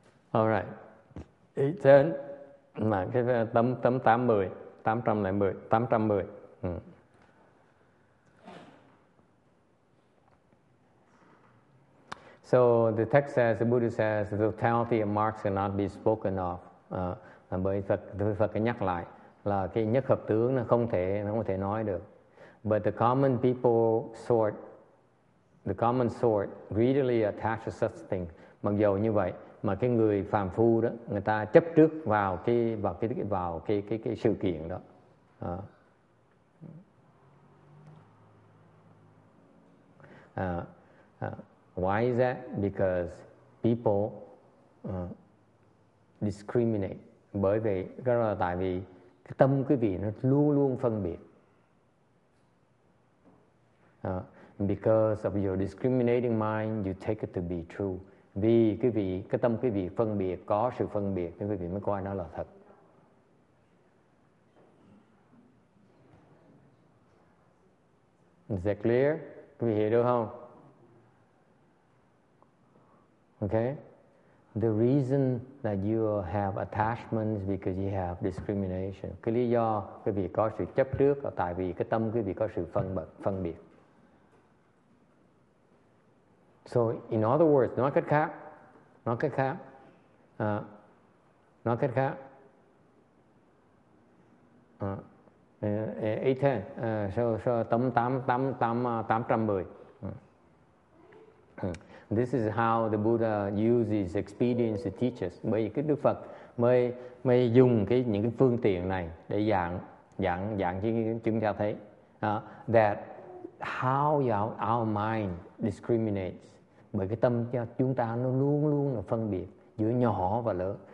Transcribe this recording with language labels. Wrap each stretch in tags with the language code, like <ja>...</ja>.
<en>All right.</en> <vi>8, 10. Mà cái tấm 810, 810, 810.</vi> <en>So the text says, the Buddha says, the totality of marks cannot be spoken of.</en> <vi>Bởi Phật nhắc lại là cái nhất hợp tướng nó không thể nói được.</vi> <en>But the common people sort, the common sort greedily attach to such thing.</en> <vi>Mặc dù như vậy, mà cái người phàm phu đó người ta chấp trước vào cái sự kiện đó.</vi> <en>Why is that? Because people discriminate.</en> <vi>Bởi vì đó là tại vì cái tâm quý vị nó luôn luôn phân biệt.</vi> <en>Because of your discriminating mind, you take it to be true.</en> <vi>Vì quý vị, cái tâm quý vị phân biệt, có sự phân biệt, nên quý vị mới coi nó là thật.</vi> <en>Is that clear?</en> <vi>Quý vị hiểu được không?</vi> <en>Okay. The reason that you have attachment is because you have discrimination.</en> <vi>Cái lý do quý vị có sự chấp trước là tại vì cái tâm quý vị có sự phân biệt.</vi> <en>So in other words, this is how the Buddha uses expedience to teach us.</en> <vi>Bởi vì Đức Phật mới dùng những phương tiện này để giảng chúng ta thấy</vi> <en>that how our mind discriminates.</en> <vi>Bởi cái tâm cho chúng ta nó luôn luôn là phân biệt giữa nhỏ và lớn.</vi>